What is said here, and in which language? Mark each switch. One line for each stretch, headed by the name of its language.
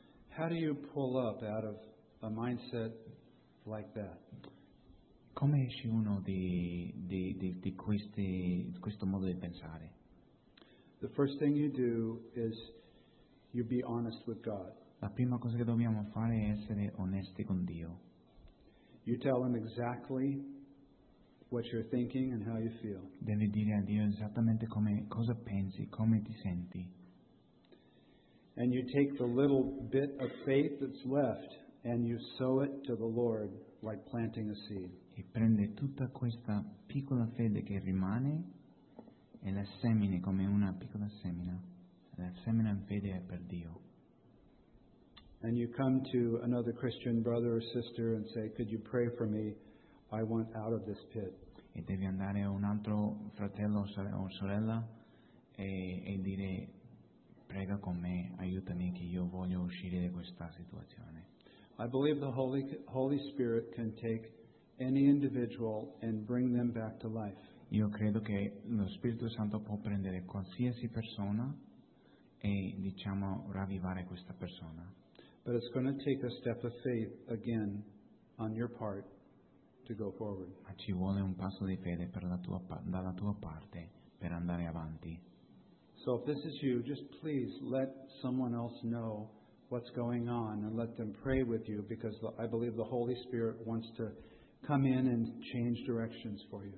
English: How do you pull up out of a mindset like that?
Italian: Come esci uno di questo modo di pensare?
English: The first thing you do is you be honest with God.
Italian: La prima cosa che dobbiamo fare è essere onesti con Dio.
English: You tell Him exactly what you're thinking and how you feel.
Italian: Devi dire a Dio esattamente come cosa pensi, come ti senti.
English: And you take the little bit of faith that's left and you sow it to the Lord like planting a seed.
Italian: E prende tutta questa piccola fede che rimane e la semini come una piccola semina. La semina in fede è per Dio.
English: And you come to another Christian brother or sister and say, could you pray for me? I want out of this pit.
Italian: E devi andare a un altro fratello o sorella e dire, prega con me, aiutami che io voglio uscire da questa situazione.
English: I believe the Holy Spirit can take any individual and bring them back to life.
Italian: Io credo che lo Spirito Santo può prendere qualsiasi persona e, diciamo, ravvivare questa persona.
English: But it's going to take a step of faith again on your part to go forward.
Italian: Ma ci vuole un passo di fede dalla tua parte per andare avanti.
English: So if this is you, just please let someone else know what's going on and let them pray with you, because I believe the Holy Spirit wants to come in and change directions for you.